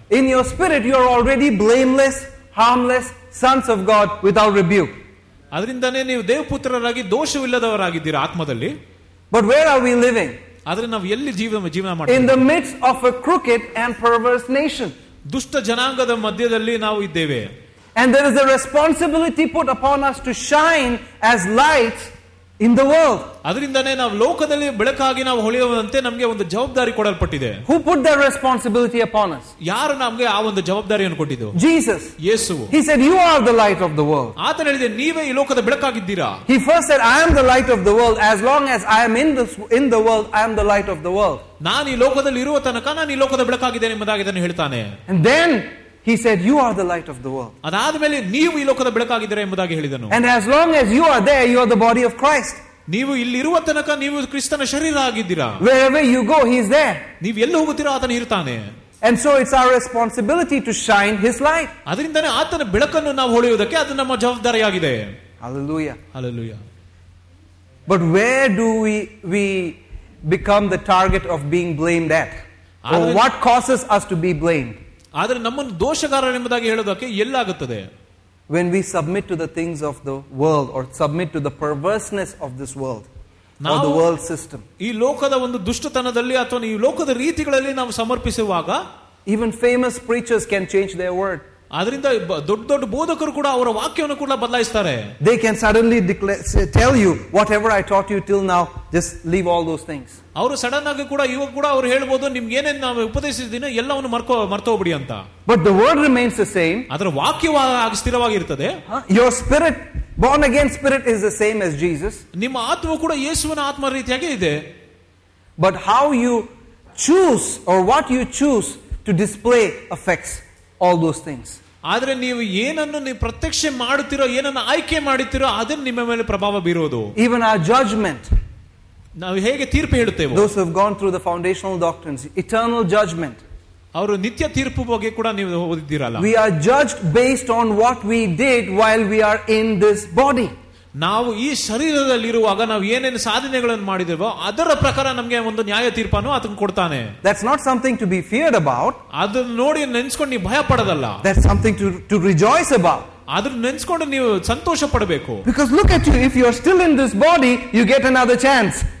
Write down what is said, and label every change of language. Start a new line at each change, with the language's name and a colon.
English: In your spirit you are already blameless harmless sons of God without rebuke.
Kannada: ಅದರಿಂದನೇ ನೀವು ದೇವಪುತ್ರರಾಗಿ ದೋಷವಿಲ್ಲದವರಾಗಿದ್ದೀರಾ ಆತ್ಮದಲ್ಲಿ.
English: But where are we living?
Kannada: ಆದ್ರೆ ನಾವು ಎಲ್ಲಿ ಜೀವನ ಮಾಡ್ತೀವಿ?
English: In the midst of a crooked and perverse nation.
Kannada: ದುಷ್ಟ ಜನಾಂಗದ ಮಧ್ಯದಲ್ಲಿ ನಾವು ಇದ್ದೇವೆ.
English: And there is a responsibility put upon us to shine as lights in the world.
Kannada: ಅದರಿಂದನೇ ನಾವು ಲೋಕದಲ್ಲಿ ಬೆಳಕಾಗಿ ನಾವು ಹೊಳೆಯುವಂತೆ ನಮಗೆ ಒಂದು ಜವಾಬ್ದಾರಿ ಕೊಡಲ್ಪಟ್ಟಿದೆ.
English: Who put that responsibility upon us?
Kannada: ಯಾರು ನಮಗೆ ಆ ಒಂದು ಜವಾಬ್ದಾರಿಯನ್ನು ಕೊಟ್ಟಿದ್ದು?
English: Jesus.
Kannada: Yesu.
English: He said, "You are the light of the world."
Kannada: ಆತನು ಹೇಳಿದ, ನೀವೇ ಈ ಲೋಕದ ಬೆಳಕಾಗಿದ್ದೀರಾ.
English: He first said, "I am the light of the world. As long as I am in the world, I am the light of the world."
Kannada: ನಾನು ಈ ಲೋಕದಲ್ಲಿ ಇರುವ ತನಕ ನಾನು ಈ ಲೋಕದ ಬೆಳಕಾಗಿದ್ದೇನೆ ಎಂಬುದಾಗಿ ಅವನು ಹೇಳ್ತಾನೆ.
English: And then He said, "You are the light of the world."
Kannada: ಅದಾದ ಮೇಲೆ ನೀವು ಈ ಲೋಕದ ಬೆಳಕಾಗಿದ್ದೀರಾ ಎಂಬುದಾಗಿ ಹೇಳಿದನು.
English: And as long as you are there, you are the body of Christ.
Kannada: ನೀವು ಇಲ್ಲಿರುವ ತನಕ ನೀವು ಕ್ರಿಸ್ತನ ಶರೀರ ಆಗಿದ್ದೀರಾ.
English: Wherever you go, he is there.
Kannada: ನೀವು ಎಲ್ಲಿ ಹೋಗುತ್ತೀರೋ ಆತನು ಇರ್ತಾನೆ.
English: And so it's our responsibility to shine his light.
Kannada: ಅದರಿಂದನೇ ಆತನ ಬೆಳಕನ್ನು ನಾವು ಹೊಳೆಯುವುದಕ್ಕೆ ಅದು ನಮ್ಮ ಜವಾಬ್ದಾರಿಯಾಗಿದೆ.
English: Hallelujah. Hallelujah. But where do we become the target of being blamed at? Or what causes us to be blamed?
Kannada: ಆದರೆ ನಮ್ಮನ್ನು ದೋಷಗಾರರು ಎಂಬುದಾಗಿ ಹೇಳೋದಕ್ಕೆ ಎಲ್ಲಾಗುತ್ತದೆ?
English: When we submit to the things of the world, or submit to the perverseness of this world, or the world system.
Kannada: ಈ ಲೋಕದ ಒಂದು ದುಷ್ಟತನದಲ್ಲಿ ಅಥವಾ ಈ ಲೋಕದ ರೀತಿಗಳಲ್ಲಿ ನಾವು ಸಮರ್ಪಿಸುವಾಗ.
English: Even famous preachers can change their word.
Kannada: ಅದರಿಂದ ದೊಡ್ಡ ದೊಡ್ಡ ಬೋಧಕರು ಕೂಡ ಅವರ ವಾಕ್ಯವನ್ನು ಕೂಡ ಬದಲಾಯಿಸುತ್ತಾರೆ.
English: They can suddenly declare, tell you, whatever I taught you till now, just leave all those things.
Kannada: ಅವರು ಸಡನ್ ಆಗಿ ಕೂಡ ಇವಾಗ ಕೂಡ ಅವರು ಹೇಳ್ಬೋದು, ನಿಮ್ಗೆ ಏನೇನು ನಾವು ಉಪದೇಶಿಸಿದ್ದೀನಿ ಎಲ್ಲವನ್ನು ಮರ್ತೋಗ್ಬಿಡಿ ಅಂತ.
English: But the word remains the same.
Kannada: ಅದರ ವಾಕ್ಯವ ಸ್ಥಿರವಾಗಿರ್ತದೆ.
English: Your spirit, born again spirit is the same as Jesus.
Kannada: ನಿಮ್ಮ ಆತ್ಮ ಕೂಡ ಯೇಸುವಿನ ಆತ್ಮ ರೀತಿಯಾಗಿ ಇದೆ.
English: But how you choose or what you choose to display effects all those things.
Kannada: ಆದ್ರೆ ನೀವು ಏನನ್ನು ನೀವು ಪ್ರತ್ಯಕ್ಷ ಮಾಡುತ್ತಿರೋ, ಏನನ್ನು ಆಯ್ಕೆ ಮಾಡುತ್ತಿರೋ, ಅದನ್ನು ನಿಮ್ಮ ಮೇಲೆ ಪ್ರಭಾವ ಬೀರೋದು.
English: even ಆ judgement,
Kannada: ನಾವು ಹೇಗೆ ತೀರ್ಪು ಹೇಳುತ್ತೇವೆ?
English: Those who have gone through the foundational doctrines, eternal judgment.
Kannada: ಅವರು ನಿತ್ಯ ತೀರ್ಪು ಬಗ್ಗೆ ಕೂಡ ನೀವು ಓದಿದ್ದೀರಲ್ಲ.
English: We are judged based on what we did while we are in this body.
Kannada: ನಾವು ಈ ಶರೀರದಲ್ಲಿರುವಾಗ ನಾವು ಏನೇನು ಸಾಧನೆಗಳನ್ನು ಮಾಡಿದೆವೋ ಅದರ ಪ್ರಕಾರ ನಮಗೆ ಒಂದು ನ್ಯಾಯ ತೀರ್ಪನ್ನು ಆತನು ಕೊಡ್ತಾನೆ.
English: That's not something to be feared about.
Kannada: ಅದನ್ನು ನೋಡಿ ನೆನೆಸ್ಕೊಂಡು ನೀವು ಭಯ ಪಡೋದಲ್ಲ.
English: That's something to rejoice about.
Kannada: ಅದನ್ನು ನೆನೆಸ್ಕೊಂಡು ನೀವು ಸಂತೋಷ ಪಡಬೇಕು.
English: Because look at you, if you are still in this body, you get another chance.